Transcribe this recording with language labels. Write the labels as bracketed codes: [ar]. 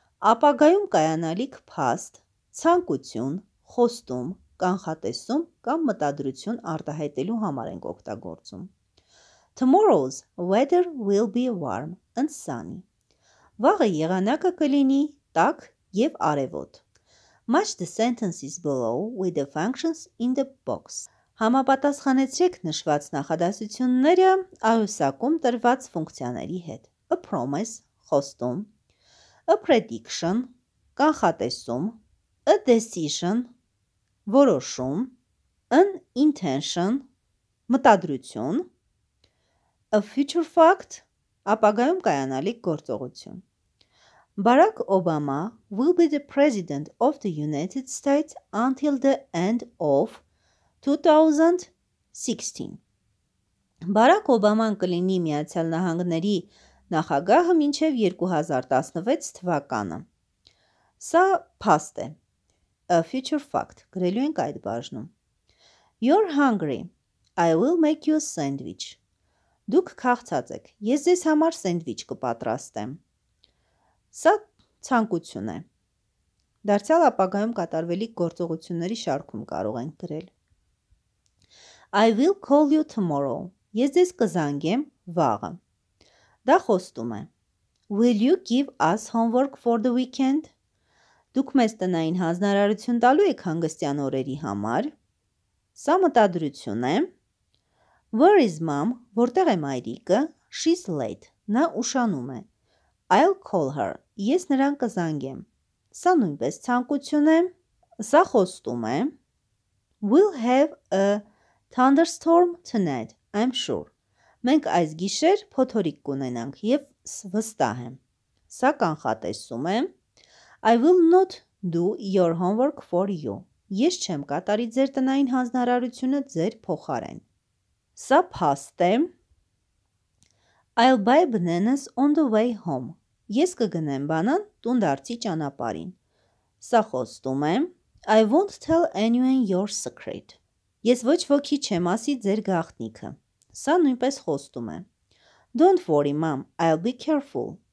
[hy] Ապագայում կայանալիք փաստ, ցանկություն, խոստում, կանխատեսում կամ մտադրություն արտահայտելու համար ենք օգտագործում. [en] Tomorrow's weather will be warm and sunny. [hy] Վաղը եղանակը կլինի տաք և արևոտ. [en] Match the sentences below with the functions in the box. [hy] Համապատասխանեցրեք նշված նախադասությունները աղյուսակում տրված ֆունկցիաների հետ. [en] A promise – խոստում. A prediction – կանխատեսում. A decision – որոշում, an intention, մտադրություն, a future fact, ապագայում կայանալիք գործողություն. Barack Obama will be the president of the United States until the end of 2016. [hy] Barack Obama-ն կլինի Միացյալ Նահանգների նախագահը մինչև 2016 թվականը. Սա փաստ է. [en] A future fact. [hy] Գրելու ենք այդ բաժնում. [en] You're hungry. I will make you a sandwich. [hy] Դուք քաղցած եք. Ես ձեզ համար sandwich կպատրաստեմ. Սա ցանկություն է. Դարձյալ ապագայում կատարվելիք գործողությունների շարքում կարող ենք գրել. [en] I will call you tomorrow. [hy] Ես ձեզ կզանգեմ վաղը. Դա խոստում է. [en] Will you give us homework for the weekend? [hy] Դուք մեզ տնային հանձնարարություն տալու եք հանգստյան օրերի համար։ Սա մտադրություն է։ [en] Where is mom? [hy] Որտեղ է մայրիկը? [en] She's late. [hy] Նա ուշանում է։ [en] I'll call her. [hy] Ես նրան կզանգեմ։ Սա նույնպես ցանկություն է։ Սա խոստում է։ [en] We'll have a Thunderstorm tonight, I'm sure. [hy] Մենք այս գիշեր փոթորիկ կունենանք եւ վստահ եմ։ Սա կանխատեսում է. [en] I will not do your homework for you. [hy] Ես չեմ կատարի ձեր տնային հանձնարարությունը ձեր փոխարեն։ Սա փաստ է. [en] I'll buy bananas on the way home. [hy] Ես կգնեմ բանան տուն դարձի ճանապարհին։ Սա խոստում է. [en] I won't tell anyone your secret. [hy] Ես ոչ ոքի չեմ ասի ձեր գաղտնիքը։ Սա նույնպես խոստում է. [en] Don't worry, mom. I'll be careful.